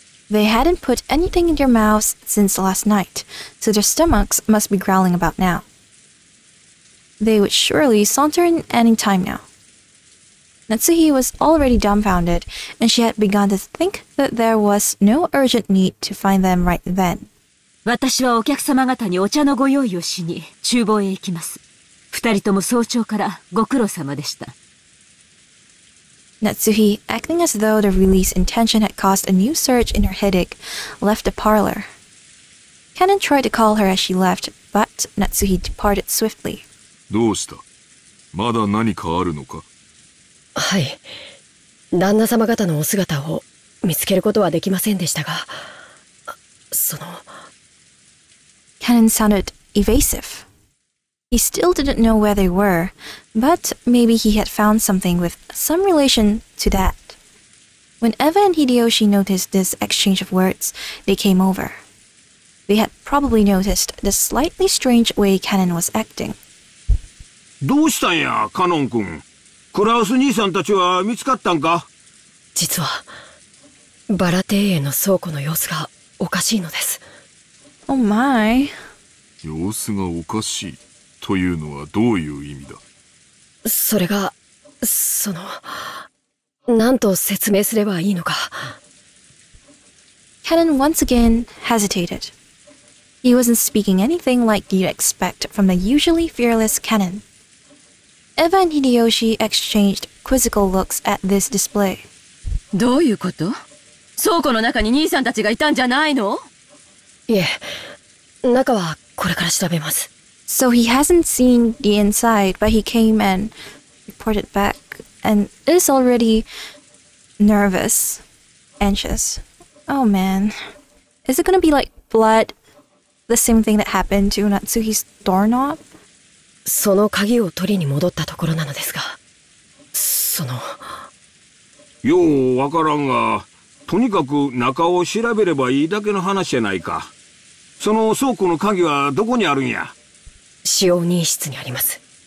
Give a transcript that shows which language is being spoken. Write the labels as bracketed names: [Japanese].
[English] They hadn't put anything in their mouths since last night, so their stomachs must be growling about now. They would surely saunter in any time now. Natsuhi was already dumbfounded, and she had begun to think that there was no urgent need to find them right then. [Japanese] 私はお客様方にお茶のご用意をしに厨房へ行きます。二人とも早朝からご苦労様でした。 [English] Natsuhi, acting as though the release intention had caused a new surge in her headache, left the parlor. Kanon tried to call her as she left, but Natsuhi departed swiftly. [Japanese] どうした?まだ何かあるのか? はい。旦那様方のお姿を見つけることはできませんでしたが、その… [English] Kanon sounded evasive. He still didn't know where they were, but maybe he had found something with some relation to that. When Eva and Hideyoshi noticed this exchange of words, they came over. They had probably noticed the slightly strange way Kanon was acting. [Japanese] どうしたんや、カノン君。クラウス兄さんたちは見つかったんか? 実は、バラ庭園の倉庫の様子がおかしいのです。お前。様子がおかしいというのはどういう意味だ? それが、その、なんと説明すればいいのか。 [English] Kanon once again hesitated. He wasn't speaking anything like you'd expect from the usually fearless Kanon. Eva and Hideyoshi exchanged quizzical looks at this display. [Japanese] どういうこと? 倉庫の中に兄さんたちがいたんじゃないの? いえ、中はこれから調べます。 [English] So he hasn't seen the inside, but he came and reported back and is already nervous, anxious. Oh man. Is it gonna be like blood? The same thing that happened to Natsuhi's doorknob? [Japanese] その鍵を取りに戻ったところなのですが、その… ようわからんが、とにかく中を調べればいいだけの話じゃないか。その倉庫の鍵はどこにあるんや？使用人室にあります。